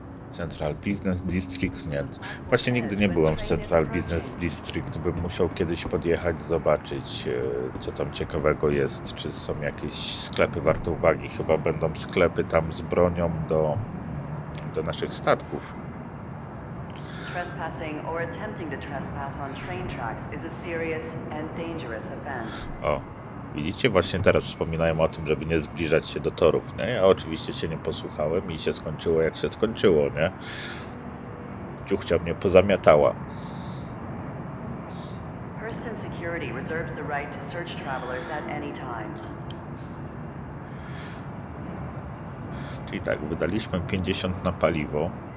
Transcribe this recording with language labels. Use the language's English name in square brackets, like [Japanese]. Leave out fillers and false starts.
[Polish] Central Business District, nie. Właśnie nigdy nie byłem w Central Business District. Bym musiał kiedyś podjechać, zobaczyć, co tam ciekawego jest. Czy są jakieś sklepy warte uwagi. Chyba będą sklepy tam z bronią do naszych statków. [English] Trespassing or attempting to trespass on train tracks is a serious and dangerous event. [Polish] O, widzicie, właśnie teraz wspominałem o tym, żeby nie zbliżać się do torów, nie? Ja oczywiście się nie posłuchałem i się skończyło, jak się skończyło, nie? Ciuchcia mnie pozamiatała. [English] Hurston Security reserves the right to search travelers at any time. [Polish] Czyli tak, wydaliśmy 50 na paliwo.